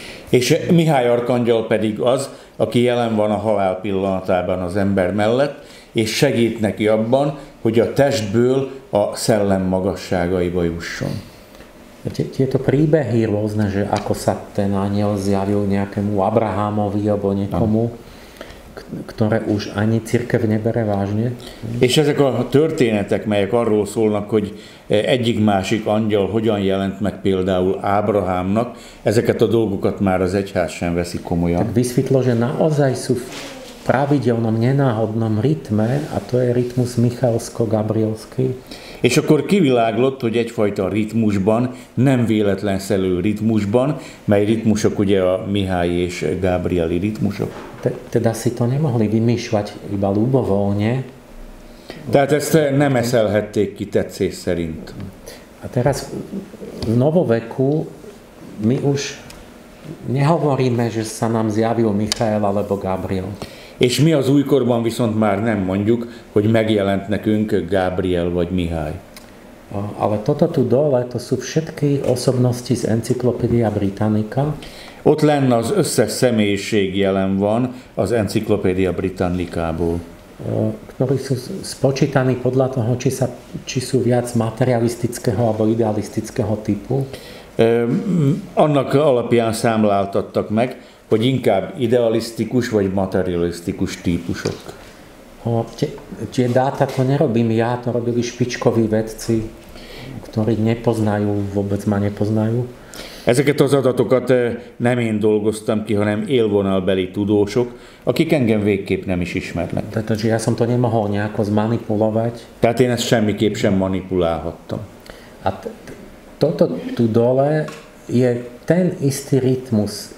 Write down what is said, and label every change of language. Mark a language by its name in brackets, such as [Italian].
[Hungarian] És Mihály arkangyal pedig az, aki jelen van a halál pillanatában az ember mellett, és segít neki abban, hogy a testből a szellem magasságaiba jusson. [Slovak] Tieto príbehy rôzne, že ako sa ten anjel zjavil nejakému Abrahamovi alebo niekomu, ktoré už ani cirkev nebere vážne. [Hungarian] És ezek a történetek, melyek arról szólnak, hogy egyik másik angyal hogyan jelent meg például Ábrahámnak, ezeket a dolgokat már az egyház sem veszi komolyan. [Slovak] Tak vysvítlo, že naozaj sú v pravidelnom, nenáhodnom rytme, a to je rytmus Michalsko-Gabrielský. [Hungarian] És akkor kiviláglott, hogy egyfajta ritmusban, nem véletlenszerű ritmusban, mely ritmusok ugye a Mihály és Gábrieli ritmusok. [Slovak] Teda si to nemohli vymýšľať iba ľubovoľne. [Hungarian] Tehát ezt nem eszelhették ki tetszés szerint. [Slovak] A teraz v novoveku my už nehovoríme, že sa nám zjavil Michael alebo Gabriel. [Hungarian] És mi az újkorban viszont már nem mondjuk, hogy megjelent nekünk Gábriel vagy Mihály. [Slovak] Ale toto tu dole, to sú všetky osobnosti z Encyklopédia Britannica. [Hungarian] Ott lenne az összes személyiség jelen van az Encyklopédia Britannicából. [Slovak] Ktorí sú spočítaní podľa toho, či sú viac materialistického alebo idealistického typu. [Hungarian] Annak alapján számláltattak meg, hogy inkább idealistikus vagy materialistikus típusok. [Slovak] Tie dáta to nerobím ja, to robili špičkoví vedci, ktorí nepoznajú, vôbec ma nepoznajú. [Hungarian] Ezeket az adatokat nem én dolgoztam ki, hanem élvonalbeli tudósok, akik engem végképp nem is ismernek. [Slovak] Tehát ja som to nemohol nejako zmanipulovať. [Hungarian] Tehát én ezt semmiképp sem manipulálhattam. [Slovak] A toto tu dole je ten istý rytmus.